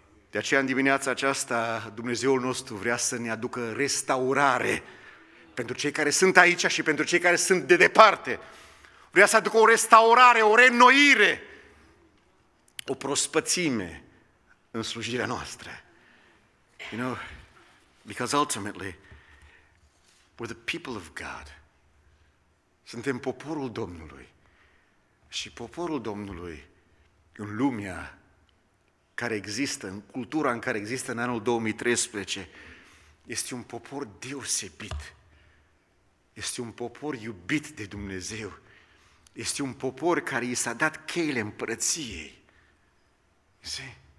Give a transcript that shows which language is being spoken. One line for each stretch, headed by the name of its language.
Romanian: De aceea, în dimineața aceasta, Dumnezeul nostru vrea să ne aducă restaurare pentru cei care sunt aici și pentru cei care sunt de departe. Vrea să aducă o restaurare, o reînnoire, o prospățime în slujirea noastră.
English: You know, because ultimately, we're the people of God.
Romanian: Suntem poporul Domnului. Și poporul Domnului, în lumea care există, în cultura în care există în anul 2013, este un popor deosebit. Este un popor iubit de Dumnezeu. Este un popor care i s-a dat cheile împărăției. See?